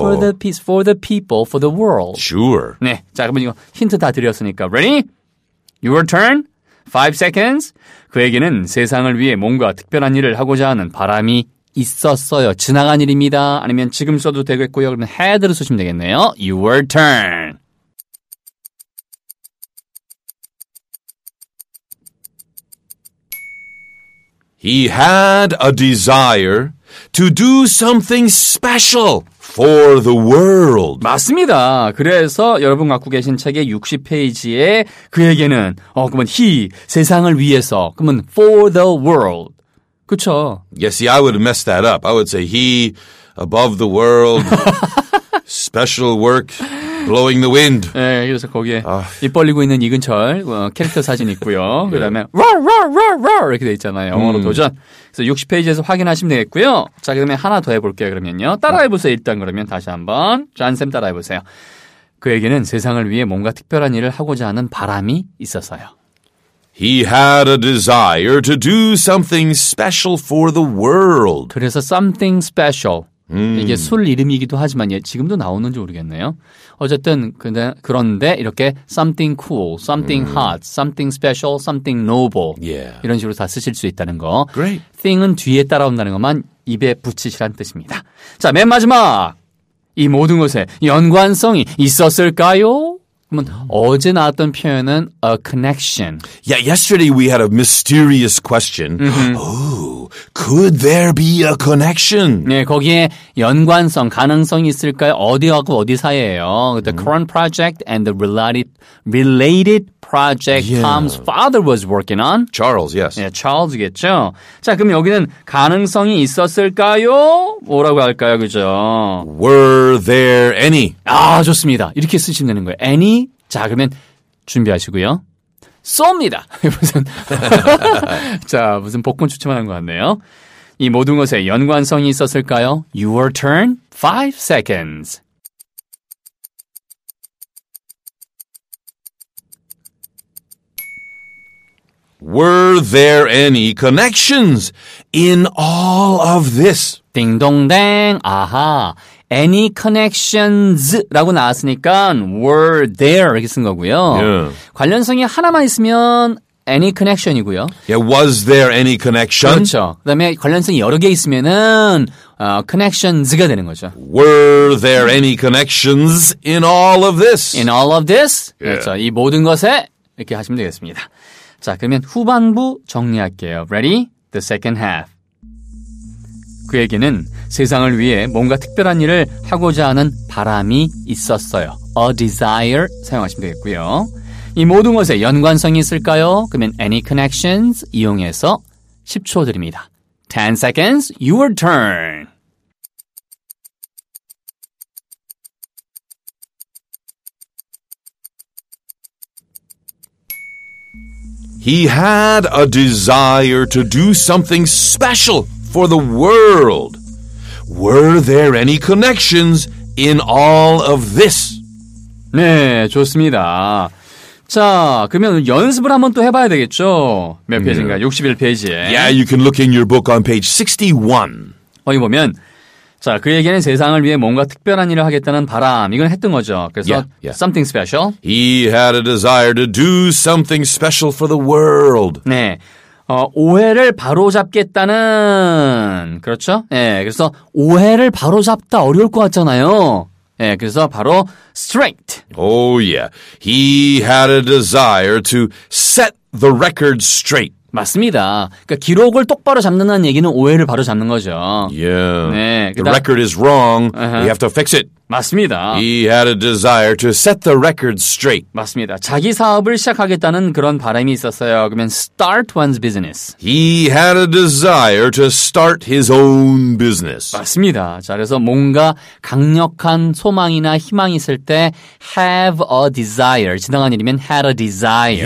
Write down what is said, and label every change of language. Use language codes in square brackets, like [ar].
[en] For the peace, for the people, for the world. Sure. [ko] 네. 자, 그러면 이거 힌트 다 드렸으니까. [en] Ready? Your turn. 5 seconds. [ko] 그에게는 세상을 위해 뭔가 특별한 일을 하고자 하는 바람이 있었어요. 지나간 일입니다. 아니면 지금 써도 되겠고요. 그러면 head로 쓰시면 되겠네요. [en] Your turn. He had a desire to do something special for the world. [ko] 맞습니다. 그래서 여러분 갖고 계신 책의 60페이지에 그에게는 그러면 he 세상을 위해서 그러면 [en] for the world. [ko] 그쵸. [en] Yeah, see, I would have messed that up. I would say he, above the world, special work. Blowing the wind. [ko] 네, 그래서 거기에 아. 입 벌리고 있는 이근철 캐릭터 사진 있고요. 그 다음에 이렇게 돼 있잖아요. 영어로 도전. 그래서 60페이지에서 확인하시면 되겠고요. 자, 그러면 하나 더 해볼게요. 그러면요. 따라해보세요. 일단 그러면 다시 한번. 잔쌤 따라해보세요. 그에게는 세상을 위해 뭔가 특별한 일을 하고자 하는 바람이 있었어요. [en] He had a desire to do something special for the world. [ko] 그래서 [en] something special. [ko] 이게 술 이름이기도 하지만 예, 지금도 나오는지 모르겠네요. 어쨌든 근데 그런데 이렇게 [en] something cool, something hot, something special, something noble. Yeah. [ko] 이런 식으로 다 쓰실 수 있다는 거. [en] Great. [ko] thing은 뒤에 따라온다는 것만 입에 붙이시란 뜻입니다. 자, 맨 마지막. 이 모든 것에 연관성이 있었을까요? 그러면 어제 나왔던 표현은 a connection. [en] Yeah, yesterday we had a mysterious question. Could there be a connection? [ko] 네, 거기에 연관성, 가능성이 있을까요? 어디하고 어디 사이에요? [en] The current project and the related project Tom's father was working on. Charles, yes. [ko] 네, Charles겠죠. 자, 그럼 여기는 가능성이 있었을까요? 뭐라고 할까요, 그죠? [en] Were there any? [ko] 아, 좋습니다. 이렇게 쓰시면 되는 거예요. [en] Any? [ko] 자, 그러면 준비하시고요. 쏩니다. 무슨 자 무슨 복권 추첨하는 것 같네요. 이 모든 것에 연관성이 있었을까요? [en] Your turn. 5 seconds. 'Were there any connections in all of this?' [ko] 딩동댕. 아하. [en] Any connections [ko] 라고 나왔으니까 [en] were there [ko] 이렇게 쓴 거고요. [en] Yeah. [ko] 관련성이 하나만 있으면 [en] any connection [ko] 이고요. [en] Yeah, was there any connection? [ko] 그렇죠. 그다음에 관련성이 여러 개 있으면은 connections가 되는 거죠. [en] Were there any connections in all of this? In all of this? Yeah. [ko] 그렇죠. 이 모든 것에 이렇게 하시면 되겠습니다. 자, 그러면 후반부 정리할게요. [en] Ready? The second half. [ko] 그에게는 세상을 위해 뭔가 특별한 일을 하고자 하는 바람이 있었어요. A desire 사용하시면 되겠고요. 이 모든 것에 연관성이 있을까요? 그러면 [en] any connections [ko] 이용해서 10초 드립니다. [en] 10 seconds, your turn. He had a desire to do something special for the world. Were there any connections in all of this? [ko] 네, 좋습니다. 자, 그러면 연습을 한번 또 해봐야 되겠죠? 몇 페이지인가? 61페이지에. [en] Yeah, you can look in your book on page 61. [ko] 거기 보면, 자, 그에게는 세상을 위해 뭔가 특별한 일을 하겠다는 바람. 이건 했던 거죠. 그래서 [en] something special. He had a desire to do something special for the world. [ko] 네. 오해를 바로잡겠다는, 그렇죠? 예, 그래서 오해를 바로잡다 어려울 것 같잖아요. 예, 그래서 바로 straight. [en] Oh, yeah. He had a desire to set the record straight. [ko] 맞습니다. 그러니까 기록을 똑바로 잡는다는 얘기는 오해를 바로잡는 거죠. [en] Yeah. [ko] 네, [en] the record is wrong. We have to fix it. [ko] 맞습니다. [en] He had a desire to set the record straight. [ko] 맞습니다. 자기 사업을 시작하겠다는 그런 바람이 있었어요. 그러면 [en] start one's business. He had a desire to start his own business. [ko] 맞습니다. 자, 그래서 뭔가 강력한 소망이나 희망이 있을 때 [en] have a desire. [ko] 지나간 일이면 [en] had a desire.